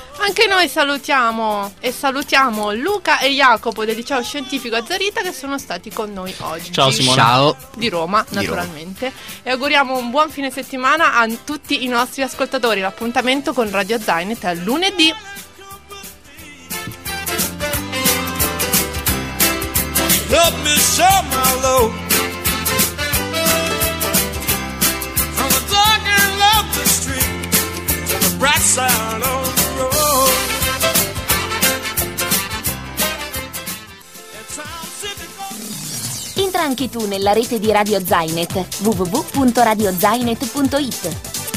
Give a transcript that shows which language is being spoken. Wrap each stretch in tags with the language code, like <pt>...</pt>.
<it>Anche noi salutiamo e salutiamo Luca e Jacopo del Liceo Scientifico Azzarita che sono stati con noi oggi. Ciao Simona. Ciao. Di Roma, naturalmente. E auguriamo un buon fine settimana a tutti i nostri ascoltatori. L'appuntamento con Radio Zainet è lunedì.</it> <en>Help me share my load from the dark end of the street to the bright side of the road.</en> <it>Entra anche tu nella rete di Radio Zainet www.radiozainet.it.</it>